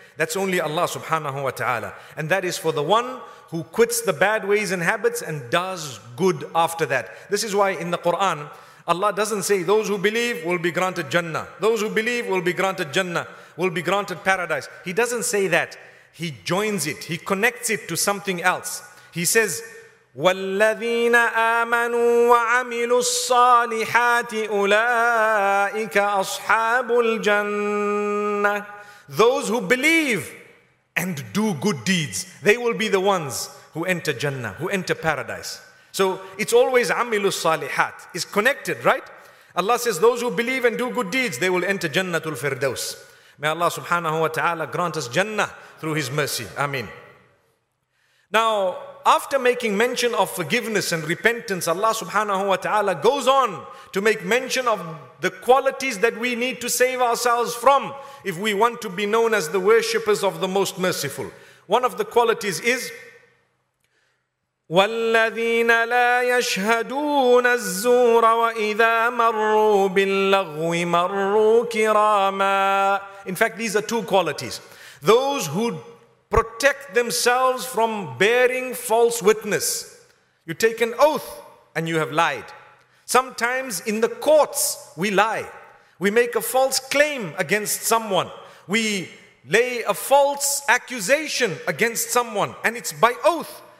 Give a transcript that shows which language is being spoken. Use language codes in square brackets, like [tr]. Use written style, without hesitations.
[en] That's only Allah subhanahu wa ta'ala. And that is for the one who quits the bad ways and habits and does good after that. This is why in the Quran, Allah doesn't say those who believe will be granted Jannah. Those who believe will be granted Jannah, will be granted paradise. He doesn't say that. He joins it. He connects it to something else. He says, [ar] وَالَّذِينَ آمَنُوا وَعَمِلُوا الصَّالِحَاتِ أُولَٰئِكَ أَصْحَابُ الْجَنَّةِ. [en] Those who believe and do good deeds, they will be the ones who enter Jannah, who enter paradise. So it's always amilu salihat. It's connected, right? Allah says those who believe and do good deeds, they will enter Jannatul Firdaus. May Allah subhanahu wa ta'ala grant us Jannah through His mercy. Ameen. Now, after making mention of forgiveness and repentance, Allah subhanahu wa ta'ala goes on to make mention of the qualities that we need to save ourselves from if we want to be known as the worshippers of the Most Merciful. One of the qualities is, [ar] وَالَّذِينَ لَا يَشْهَدُونَ الزُّورَ وَإِذَا مَرُّوا بِاللَّغْوِ مَرُّوا كِرَامًا. [en] In fact, these are two qualities. Those who protect themselves from bearing false witness. You take an oath and you have lied. Sometimes in the courts we lie. We make a false claim against someone. We lay a false accusation against someone, and it's by oath.